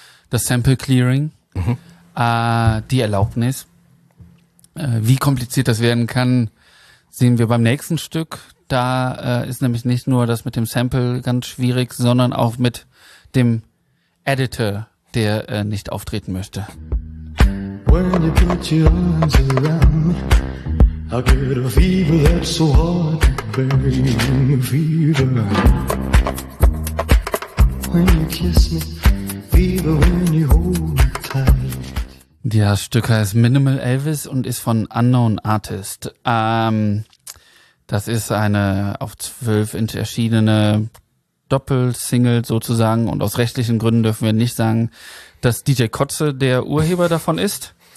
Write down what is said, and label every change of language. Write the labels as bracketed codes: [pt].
[de] Das Sample-Clearing, die Erlaubnis. Wie kompliziert das werden kann, sehen wir beim nächsten Stück. Da ist nämlich nicht nur das mit dem Sample ganz schwierig, sondern auch mit dem Editor, der nicht auftreten möchte. [en] When you put your arms around me, I get a fever that's so hard to bear, fever. When you kiss me, fever when you hold me tight. [de] Das Stück heißt Minimal Elvis und ist von Unknown Artist. Das ist eine auf 12 Inch erschienene Doppelsingle sozusagen, und aus rechtlichen Gründen dürfen wir nicht sagen, dass DJ Kotze der Urheber davon ist.